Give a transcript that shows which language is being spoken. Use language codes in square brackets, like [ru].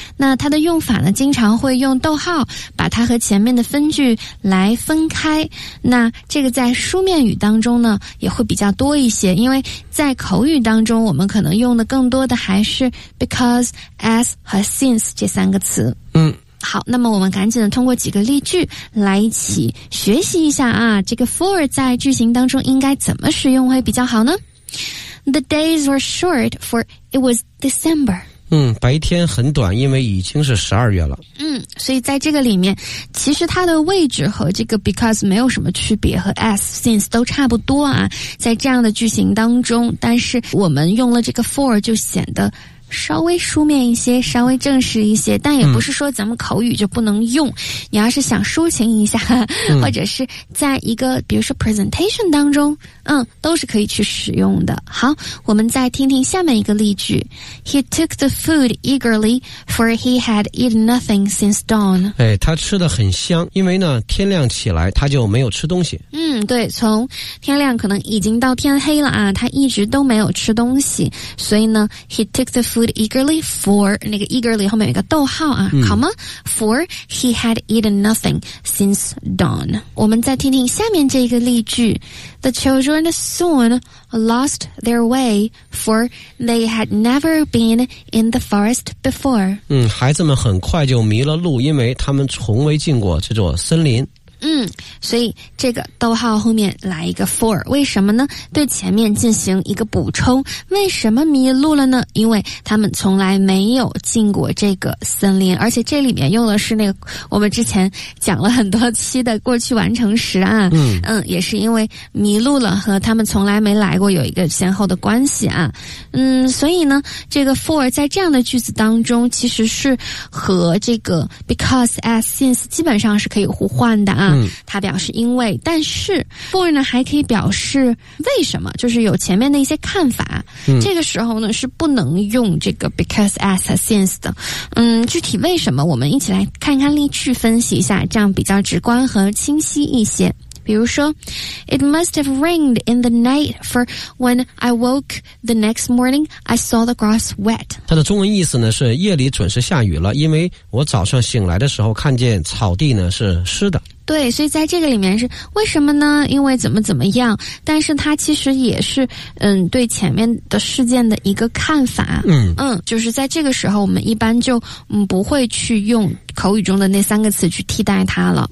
[zh] 那他的用法呢经常会用逗号把它和前面的分句来分开，那这个在书面语当中呢也会比较多一些，因为在口语当中我们可能用的更多的还是 because, as 和 since 这三个词。嗯，好，那么我们赶紧的通过几个例句来一起学习一下啊，这个 for 在句型当中应该怎么使用会比较好呢？ [en] The days were short for it was December. [zh] 嗯，白天很短，因为已经是12月了。嗯，所以在这个里面，其实它的位置和这个 because 没有什么区别，和 as, since 都差不多啊，在这样的句型当中，但是我们用了这个 for 就显得稍微书面一些，稍微正式一些，但也不是说咱们口语就不能用。嗯，你要是想抒情一下，或者是在一个比如说 presentation 当中，嗯，都是可以去使用的。好，我们再听听下面一个例句。 [en] He took the food eagerly, for he had eaten nothing since dawn. [zh] 哎，他吃得很香，因为呢，天亮起来，他就没有吃东西。嗯，对，从天亮可能已经到天黑了啊，他一直都没有吃东西，所以呢 , [en] he took the food eagerly for, [zh] 那个 eagerly 后面有一个逗号啊，comma, [en] for he had eaten nothing since dawn. [zh] 我们再听听下面这个例句。 [en] The children soon lost their way, for they had never been in the forest before. [zh] 嗯，孩子们很快就迷了路，因为他们从未进过这座森林。嗯，所以这个逗号后面来一个 for, 为什么呢？对前面进行一个补充。为什么迷路了呢？因为他们从来没有进过这个森林，而且这里面用的是那个我们之前讲了很多期的过去完成时啊。嗯嗯，也是因为迷路了和他们从来没来过有一个先后的关系啊。嗯，所以呢这个 for 在这样的句子当中其实是和这个 because, as, since 基本上是可以互换的啊。它表示因为，但是 for 呢还可以表示为什么，就是有前面的一些看法。嗯，这个时候呢是不能用这个 because, as, since 的。嗯，具体为什么我们一起来看看例句分析一下，这样比较直观和清晰一些。比如说 [en] It must have rained in the night, for when I woke the next morning, I saw the grass wet. [zh] 它的中文意思呢是夜里准时下雨了，因为我早上醒来的时候看见草地呢是湿的。对，所以在这个里面是为什么呢？因为怎么怎么样，但是它其实也是嗯，对前面的事件的一个看法。嗯嗯，就是在这个时候我们一般就不会去用口语中的那三个词去替代它了。